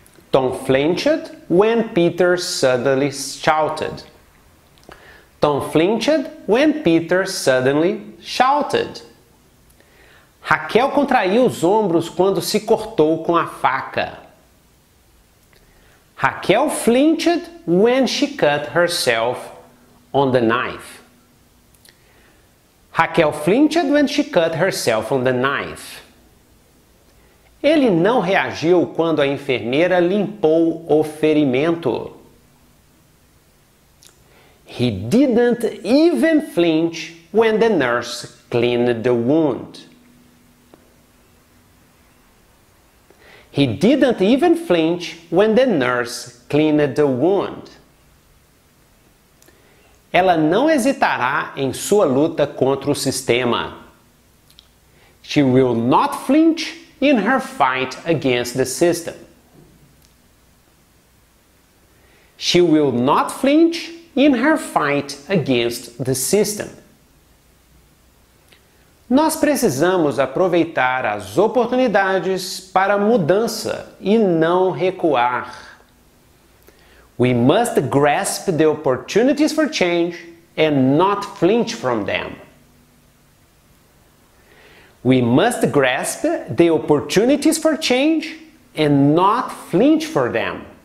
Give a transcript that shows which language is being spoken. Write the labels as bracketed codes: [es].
[en] Tom flinched when Peter suddenly shouted. Tom flinched when Peter suddenly shouted. [pt] Raquel contraiu os ombros quando se cortou com a faca. [en] Raquel flinched when she cut herself on the knife. Raquel flinched when she cut herself on the knife. [pt] Ele não reagiu quando a enfermeira limpou o ferimento. [en] He didn't even flinch when the nurse cleaned the wound. He didn't even flinch when the nurse cleaned the wound. [pt] Ela não hesitará em sua luta contra o sistema. [en] She will not flinch in her fight against the system. She will not flinch in her fight against the system. [pt] Nós precisamos aproveitar as oportunidades para mudança e não recuar. [en] We must grasp the opportunities for change and not flinch from them. We must grasp the opportunities for change and not flinch from them.